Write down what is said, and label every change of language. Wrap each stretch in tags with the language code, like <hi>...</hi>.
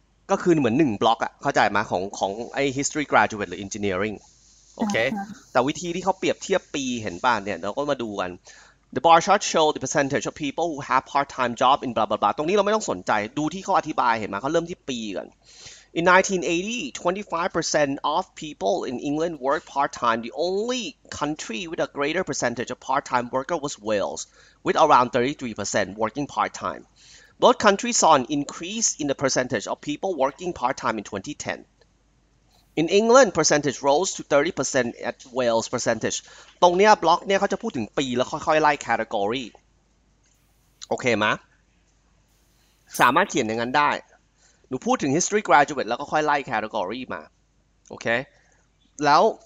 <th>ก็คือเหมือน1บล็อกอะเข้าใจมั้ยของไอ้ history graduate หรือ engineering โอเคแต่วิธีที่เขาเปรียบเทียบปีเห็นป่ะเนี่ยเราก็มาดูกัน</th> <en>The bar chart show the percentage of people who have part time job in blah blah</en> <th>blah ตรงนี้เราไม่ต้องสนใจดูที่เขาอธิบายเห็นมั้ยเขาเริ่มที่ปีก่อน</th> <en>In 1980, 25% of people in England worked part-time. The only country with a greater percentage of part-time workers was Wales, with around 33% working part-time. Both countries saw an increase in the percentage of people working part-time in 2010. In England, percentage rose to 30% at Wales percentage.</en> <th>ตรงเนี้ยบล็อกเนี้ยเขาจะพูดถึงปีแล้วค่อยๆไล่ category. โอเคมั้ยสามารถเขียนอย่างนั้นได้หนูพูดถึง history graduate แล้วก็ค่อยไล่ category มาโอเคแล้ว</th>